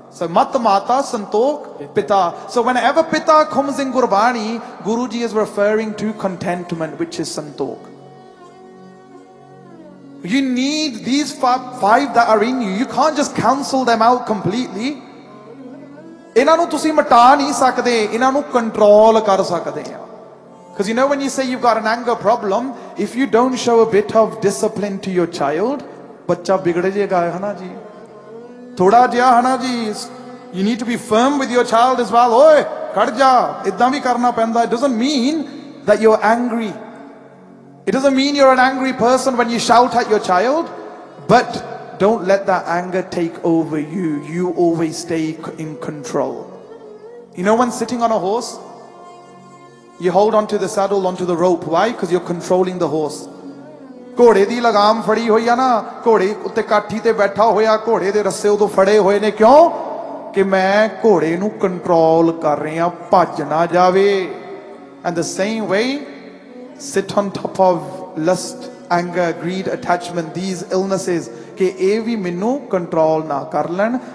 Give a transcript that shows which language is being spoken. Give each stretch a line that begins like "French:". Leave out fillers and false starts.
English: So Mat Mata Santokh Pita. So whenever Pita comes in Gurbani, Guruji is referring to contentment, which is Santokh. You need these five that are in you. You can't just cancel them out completely.
Punjabi: ਇਹਨਾਂ ਨੂੰ ਤੁਸੀਂ ਮਿਟਾ ਨਹੀਂ ਸਕਦੇ, ਇਹਨਾਂ ਨੂੰ control ਕਰ ਸਕਦੇ ਆ.
English: Because you know when you say you've got an anger problem, if you don't show a bit of discipline to your child,
Punjabi: ਬੱਚਾ ਵਿਗੜ ਜਾਏਗਾ ਹੈ ਨਾ ਜੀ,
English: ਥੋੜਾ ਜਿਹਾ ਹੈ ਨਾ ਜੀ. You need to be firm with your child as well.
Punjabi: ਓਏ ਖੜ ਜਾ, ਇਦਾਂ ਵੀ ਕਰਨਾ ਪੈਂਦਾ.
English: It doesn't mean that you're angry. It doesn't mean you're an angry person when you shout at your child, but don't let that anger take over you. You always stay in control. You know when sitting on a horse, you hold onto the saddle, onto the rope. Why? Because you're controlling the horse.
Punjabi: ਘੋੜੇ ਦੀ ਲਗਾਮ ਫੜੀ ਹੋਈ ਆ ਨਾ, ਘੋੜੇ ਉੱਤੇ ਕਾਠੀ ਤੇ ਬੈਠਾ ਹੋਇਆ, ਘੋੜੇ ਦੇ ਰੱਸੇ ਉਦੋਂ ਫੜੇ ਹੋਏ ਨੇ. ਕਿਉਂ? ਕਿ ਮੈਂ ਘੋੜੇ ਨੂੰ ਕੰਟਰੋਲ ਕਰ ਰਿਹਾ, ਭੱਜ ਨਾ ਜਾਵੇ.
English: and the same way, sit on top of lust, anger, greed, attachment, these illnesses,
Punjabi: ਕਿ ਇਹ ਵੀ ਮੈਨੂੰ ਕੰਟਰੋਲ ਨਾ ਕਰ ਲੈਣ.